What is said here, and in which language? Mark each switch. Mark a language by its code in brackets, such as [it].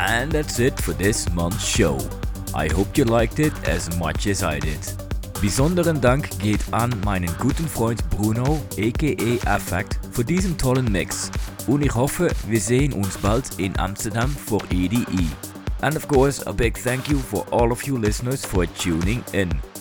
[en] that's it for this month's show. I hope you liked it as much as I did. [de] Besonderen Dank geht an meinen guten Freund Bruno, aka Affect, für diesen tollen Mix. Und ich hoffe, wir sehen uns bald in Amsterdam for EDE. [en] And of course, a big thank you for all of you listeners for tuning in.